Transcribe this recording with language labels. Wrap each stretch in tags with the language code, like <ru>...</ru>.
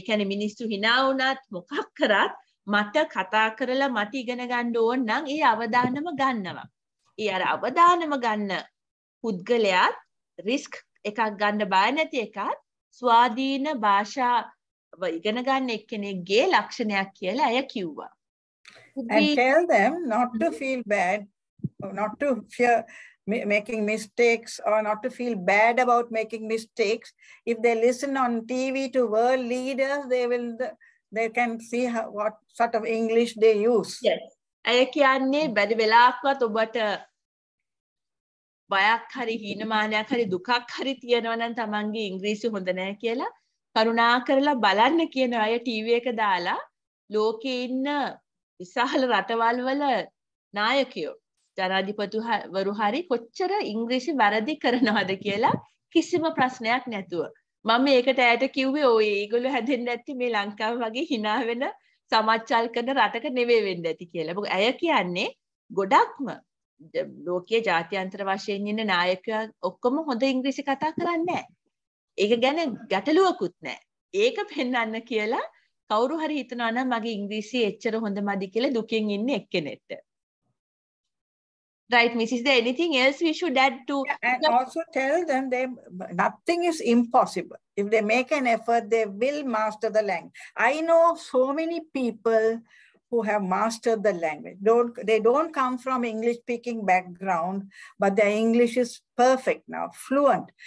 <si>ඒ කියන්නේ මිනිස්සු hina වුණත් මොකක් කරත් මට කතා කරලා මට ඉගෙන ගන්න ඕන නම් ඒ අවදානම ගන්නවා. ඒ අර අවදානම ගන්න පුද්ගලයාත් risk එකක් ගන්න බය නැති එකත් ස්වාධීන භාෂාව ඉගෙන ගන්න එක්කෙනෙක්ගේ ලක්ෂණයක් කියලා අය කිව්වා.</si> <en>And tell them not to feel bad, not to fear making mistakes or not to feel bad about making mistakes. If they listen on TV to world leaders, they can see what sort of English they use. Yes.</en> <si>I කියන්නේ බැරි වෙලාවකත් ඔබට බයක් හරි හිනමානයක් හරි දුකක් හරි තියෙනවා නම් තමන්ගේ ඉංග්‍රීසි හොඳ නැහැ කියලා කරුණා කරලා බලන්න කියන අය TV එක දාලා ලෝකේ ඉන්න විශාල රටවල් වල නායකයෝ ජනාධිපතු වරු හරි කොච්චර ඉංග්‍රීසි වැරදි කරනවද කියලා කිසිම ප්‍රශ්නයක් නැතුව මම ඒකට ඇයට කිව්වේ ඔය ඒගොල්ලෝ හැදෙන්නේ නැති මේ ලංකාව වගේ hina වෙන සමාජචල් කරන රටක නෙවෙයි වෙන්න ඇති කියලා. මොකද ඇය කියන්නේ ගොඩක්ම ලෝකීය ජාත්‍යන්තර වශයෙන් ඉන්න නායකයෝ ඔක්කොම හොඳ ඉංග්‍රීසි කතා කරන්නේ නැහැ. ඒක ගැන ගැටලුවකුත් නැහැ. ඒක පෙන්වන්න කියලා කවුරු හරි හිතනවා නම් මගේ ඉංග්‍රීසි එච්චර හොඳ මදි කියලා දුකින් ඉන්නේ එක්කෙනෙක්ට.</si> <en>Right, Miss, is there anything else we should add to? Yeah, and also tell them they nothing is impossible. If they make an effort, they will master the language. I know so many people who have mastered the language. They don't come from English-speaking background, but their English is perfect now, fluent.</en>